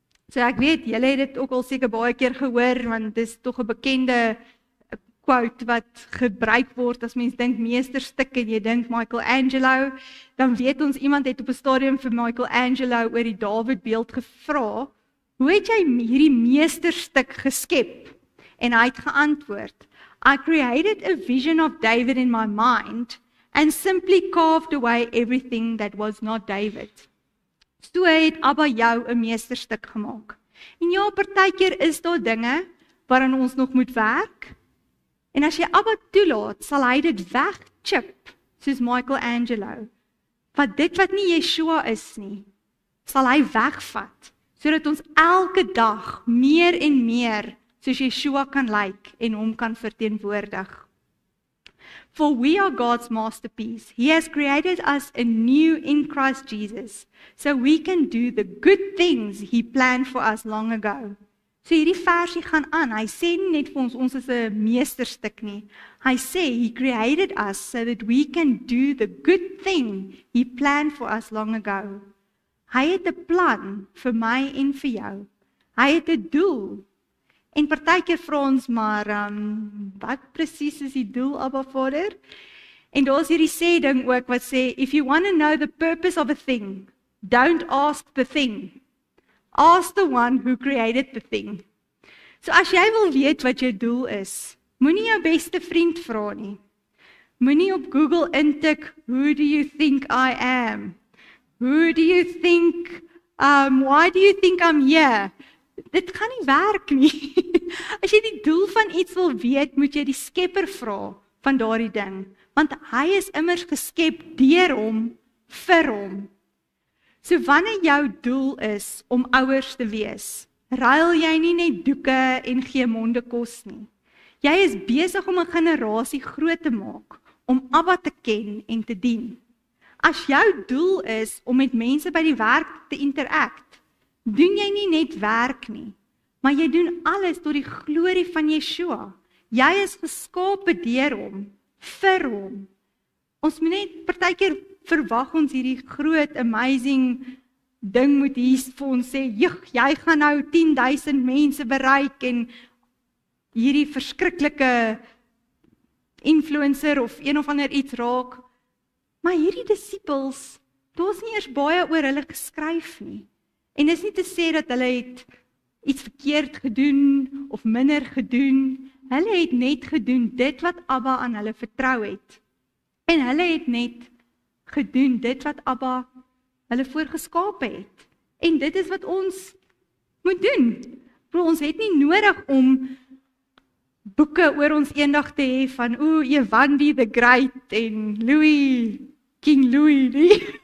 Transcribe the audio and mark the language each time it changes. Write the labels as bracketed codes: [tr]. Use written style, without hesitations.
[af] So ek weet, julle het dit ook al seker baie keer gehoor, want dit is tog 'n bekende quote wat gebruik word as mens dink meesterstuk en jy dink Michelangelo, dan weet ons iemand het op 'n stadium vir Michelangelo oor die David beeld gevra, hoe het jy hierdie meesterstuk geskep? En hy het geantwoord, [en] I created a vision of David in my mind and simply carved away everything that was not David. [af] So het Abba jou 'n meesterstuk gemaak. En ja, partykeer is daar dinge waaraan ons nog moet werk. En as jy Abba toelaat, sal hy dit wegchip, soos Michelangelo. Want dit wat nie Yeshua is nie, sal hy wegvat, sodat ons elke dag meer en meer soos Yeshua kan lyk en hom kan verteenwoordig. [en] For we are God's masterpiece. He has created us anew in Christ Jesus, so we can do the good things he planned for us long ago. [af] So hierdie versie gaan aan. Hy sê nie net vir ons is 'n meesterstuk nie. Hy sê [en] he created us so that we can do the good thing he planned for us long ago. [af] Hy het 'n plan vir my en vir jou. Hy het 'n doel. En partykeer vra ons maar wat presies is die doel, Abba Vader? En daar's hierdie sê ding ook wat sê [en] if you want to know the purpose of a thing, don't ask the thing. Ask the one who created the thing. [af] So as jy wil weet wat jou doel is, moenie jou beste vriend vra nie. Moenie op Google intik [en] who do you think I am? Who do you think why do you think I'm here? [af] Dit kan nie werk nie. As jy die doel van iets wil weet, moet jy die Skepper vra van daardie ding, want hy is immers geskep deur hom vir hom. So wanneer jou doel is om ouers te wees, ruil jy nie net doeke en gee monde kos nie. Jy is besig om 'n generasie groot te maak om Abba te ken en te dien. As jou doel is om met mense by die werk te interact, doen jy nie net werk nie, maar jy doen alles tot die glorie van Yeshua. Jy is geskape deur hom, vir hom. Ons moet net partykeer verwag ons hierdie groot amazing ding moet hier vir ons sê, "Jeg, jy gaan nou 10,000 mense bereik en hierdie verskriklike influencer of een of ander iets raak." Maar hierdie disippels, daar's nie eers baie oor hulle geskryf nie. En dis nie te sê dat hulle het iets verkeerd gedoen of minder gedoen. Hulle het net gedoen dit wat Abba aan hulle vertrou het. En hulle het net gedoen dit wat Abba hulle voorgeskape het. En dit is wat ons moet doen. Want ons het nie nodig om boeke oor ons eendag te hê van o, Evandi the Great en Louis, King Louis nie.